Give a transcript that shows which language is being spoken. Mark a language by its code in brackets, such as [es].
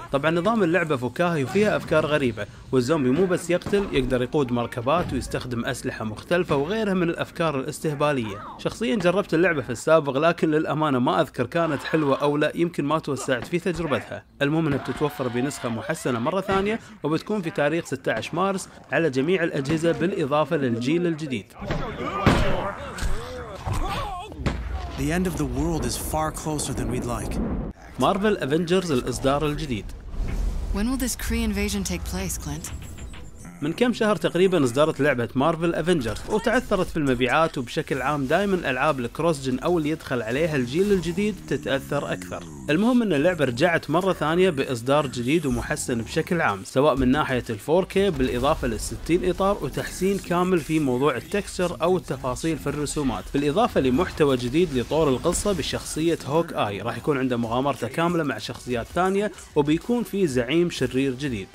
[ar] طبعا نظام اللعبة فكاهي وفيها افكار غريبة، والزومبي مو بس يقتل، يقدر يقود مركبات ويستخدم اسلحة مختلفة وغيرها من الافكار الاستهبالية. شخصيا جربت اللعبة في السابق لكن للأمانة ما أذكر كانت حلوة أو لا، يمكن ما توسعت في تجربتها. المهم أنها بتتوفر بنسخة محسنة مرة ثانية وبتكون في تاريخ 16 مارس على جميع الأجهزة بالإضافة للجيل الجديد. [en] The end of the world is far closer than we'd like. [ar] Marvel Avengers الإصدار الجديد. [en] When will this Kree invasion take place, Clint? [ar] من كم شهر تقريبا اصدرت لعبة Marvel Avengers وتعثرت في المبيعات، وبشكل عام دائما ألعاب الكروس جن أو اللي يدخل عليها الجيل الجديد تتأثر أكثر. المهم أن اللعبة رجعت مرة ثانية بإصدار جديد ومحسن بشكل عام، سواء من ناحية الـ 4K بالإضافة للـ 60 إطار وتحسين كامل في موضوع التكستشر أو التفاصيل في الرسومات، بالإضافة لمحتوى جديد لطور القصة بشخصية هوك آي، راح يكون عنده مغامرته كاملة مع شخصيات ثانية وبيكون في زعيم شرير جديد.